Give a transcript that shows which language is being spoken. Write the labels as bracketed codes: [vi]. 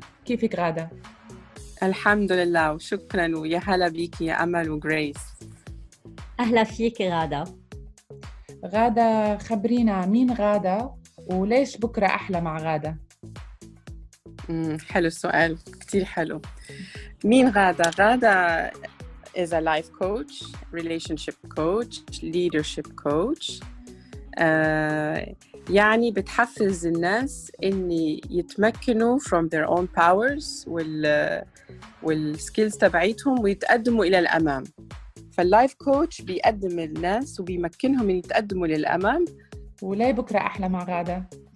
[ar] كيفك غادة؟ الحمد لله وشكرا ويا هلا بيك يا أمل وغريس. أهلا فيك غادة. غادة خبرينا مين غادة وليش بكرة أحلى مع غادة؟ حلو السؤال، كتير حلو. مين غادة؟ [en] غادة is a life coach, relationship coach, leadership coach. [ar] يعني بتحفز الناس ان يتمكنوا [en] from their own powers [ar] والskills تبعيتهم ويتقدموا إلى الأمام. فاللايف كوتش بيقدم الناس وبيمكنهم ان يتقدموا للامام. وليه بكره احلى مع غاده؟